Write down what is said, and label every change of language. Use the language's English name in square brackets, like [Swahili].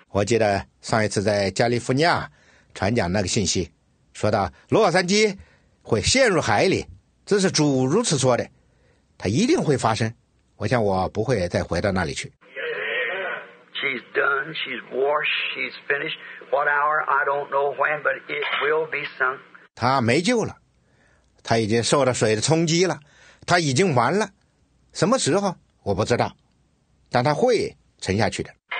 [Chinese] 我记得上一次在加利福尼亚传讲那个信息，说到洛杉矶会陷入海里，这是主如此说的，它一定会发生。我想我不会再回到那里去。 [English] She's done, she's washed, she's finished. What hour, I don't know when, but it will be sunk. [Chinese] 她没救了。他已经受了水的冲击了，他已经完了。什么时候我不知道，但他会沉下去的。